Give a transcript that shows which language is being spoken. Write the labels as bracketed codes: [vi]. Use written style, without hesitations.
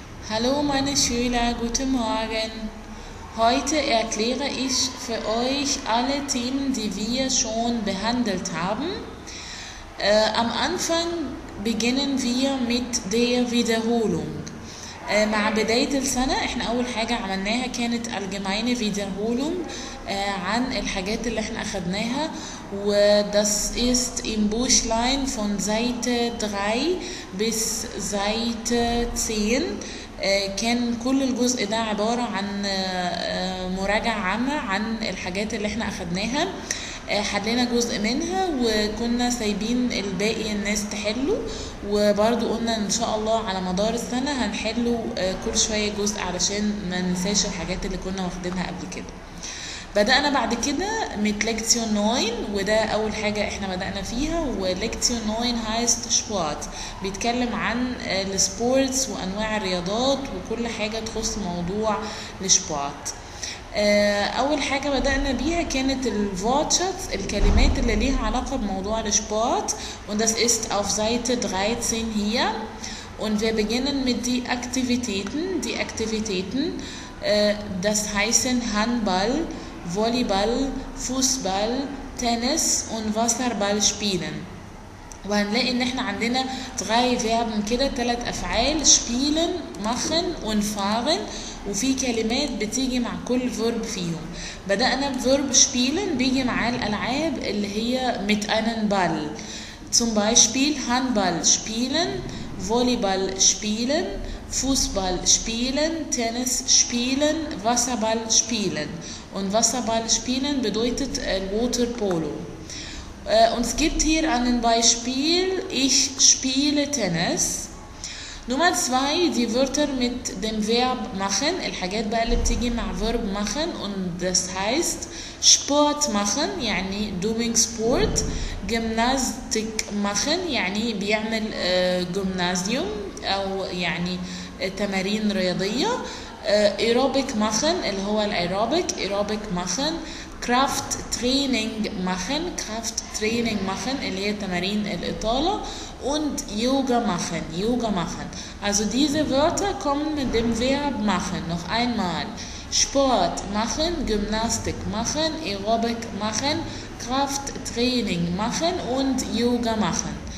[de] Hallo meine Schüler, guten Morgen. Heute erkläre ich für euch alle Themen, die wir schon behandelt haben. Am Anfang beginnen wir mit der Wiederholung. [ar] مع بداية السنة احنا اول حاجة عملناها كانت [de] allgemeine Wiederholung [ar] عن الحاجات اللي احنا اخدناها و [de] das ist im Buchlein von Seite 3 bis Seite 10 [ar] كان كل الجزء ده عبارة عن مراجعة عامة عن الحاجات اللي احنا اخدناها حلينا جزء منها وكنا سايبين الباقي الناس تحله وبرضو قلنا ان شاء الله على مدار السنة هنحله كل شوية جزء علشان ما ننساش الحاجات اللي كنا واخدينها قبل كده. بدأنا بعد كده من لكتيون 9 وده اول حاجة احنا بدأنا فيها ولكتيون 9 هايست شوات بيتكلم عن السبورتس وانواع الرياضات وكل حاجة تخص موضوع الشوات. اول حاجة بدأنا بيها كانت الفوتشات الكلمات اللي ليها علاقة بموضوع الشوات [de] und das ist auf Seite 13 hier und wir beginnen mit die Aktivitäten. Die Aktivitäten das heißen Handball, Volleyball, Fußball, Tennis und Wasserball spielen. [ar] وهنلاقي ان احنا عندنا [de] drei Verben [ar] كده تلات افعال [de] spielen, machen und fahren [ar] وفي كلمات بتيجي مع كل verb فيهم. بدأنا ب verb spielen بيجي مع الالعاب اللي هي [de] mit einem Ball. Zum Beispiel Handball spielen, Volleyball spielen, Fußball spielen, Tennis spielen, Wasserball spielen. Und Wasserball spielen bedeutet Water Polo. Und es gibt hier ein Beispiel, ich spiele Tennis. Nummer 2, die Wörter mit dem Verb machen. [ar] الحاجات بقى اللي بتيجي مع [de] Verb machen. Und das heißt Sport machen, [ar] يعني [en] doing sport. [de] Gymnastik machen, [ar] يعني بيعمل [de] Gymnasium. [ar] أو يعني تمارين رياضية. [de] Aerobic machen, [ar] اللي هو الأيروبيك. [de] Aerobic machen. Kraft Training machen, Kraft Training machen, [ar] اللي هي تمارين الإطالة. [de] Und Yoga machen, Yoga machen. Also diese Wörter kommen mit dem Verb machen. Noch einmal. Sport machen, Gymnastik machen, Aerobic machen, Kraft Training machen und Yoga machen.